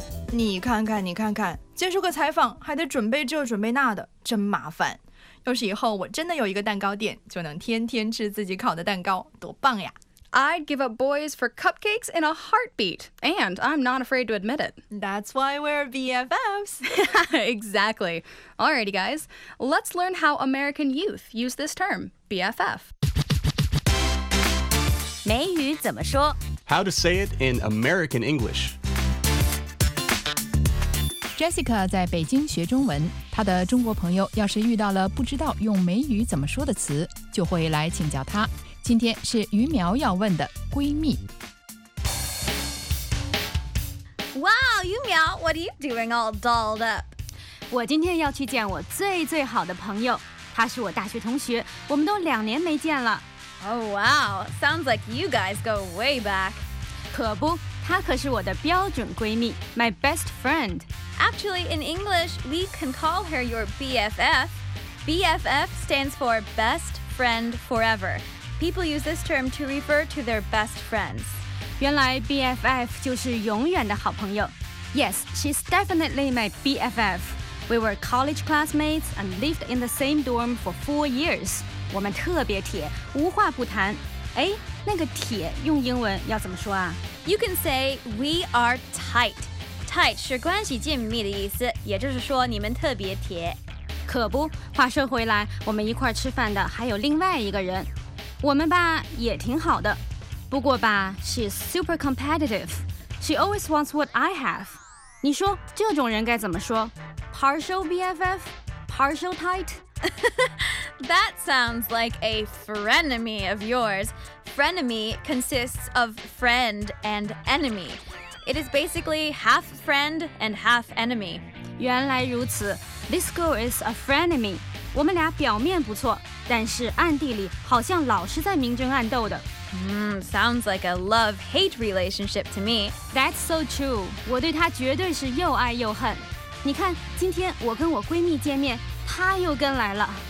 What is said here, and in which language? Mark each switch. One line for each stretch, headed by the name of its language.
Chinese: 你看看你看看，接受个采访还得准备这准备那的，真麻烦。要是以后我真的有一个蛋糕店，就能天天吃自己烤的蛋糕，多棒呀！
English: I'd give up boys for cupcakes in a heartbeat, and I'm not afraid to admit it. That's why we're BFFs! Exactly. Alrighty, guys, let's learn how American youth use this term, BFF.
Chinese: 美语怎么说？
English: How to say it in American English.
Chinese: Jessica 在北京学中文，她的中国朋友要是遇到了不知道用美语怎么说的词，就会来请教她。今天是于苗要问的闺蜜。
English: Wow, 于苗 what are you doing all dolled up?
Chinese: 我今天要去见我最最好的朋友，她是我大学同学，我们都两年没见了。
English: Oh wow, sounds like you guys go way back.
Chinese: 可不，她可是我的标准闺蜜 ，
English: my best friend. Actually, in English, we can call her your BFF. BFF stands for Best Friend Forever. People use this term to refer to their best friends.
Chinese: 原来 BFF 就是永远的好朋友。
English: Yes, she's definitely my BFF. We were college classmates and lived in the same dorm for 4 years.
Chinese: 我们特别铁，无话不谈。哎，那个铁用英文要怎么说啊？
English: You can say we are tight.
Chinese: Tight 是关系紧密的意思，也就是说你们特别铁。可不，话说回来，我们一块吃饭的还有另外一个人，我们吧也挺好的。不过吧
English: ，she's super competitive. She always wants what I have.
Chinese: 你说这种人该怎么说 ？
English: Partial BFF, partial tight. That sounds like a frenemy of yours. Frenemy consists of friend and enemy. It is basically half friend and half enemy.
Chinese: 原来如此
English: This girl is a frenemy.
Chinese: 我们俩表面不错，但是暗地里好像老是在明争暗斗的。
English: Sounds like a love-hate relationship to me. That's so true.
Chinese: 我对她绝对是又爱又恨。你看，今天我跟我闺蜜见面，她又跟来了。